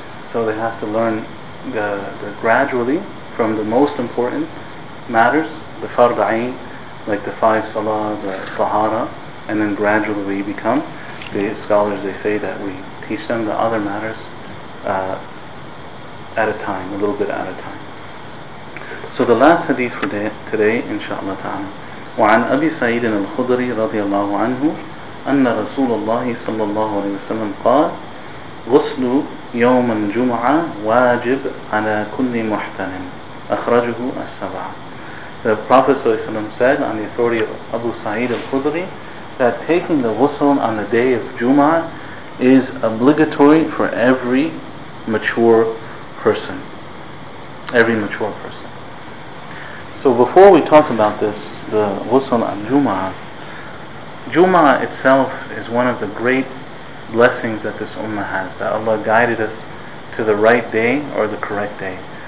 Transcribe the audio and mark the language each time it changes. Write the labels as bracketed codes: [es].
[en] So they have to learn the gradually from the most important matters, the fard'ain, like the five salah, the tahara, and then gradually we become. The scholars, they say that we teach them the other matters at a time, a little bit at a time. So the last hadith for today, inshaAllah ta'ala. [ar] وعن أبي سعيد الخدري رضي الله عنه أن رسول الله صلى الله عليه وسلم قال غسل يوم الجمعة واجب على كل محتلم أخرجه السبعة. [en] The Prophet صلى الله عليه وسلم said on the authority of Abu Sa'id al-Khudri that taking the ghusl on the day of Jum'ah is obligatory for every mature person. Every mature person. So before we talk about this, the ghusl on Jum'ah, Jum'ah itself is one of the great blessings that this ummah has, that Allah guided us to the right day or the correct day.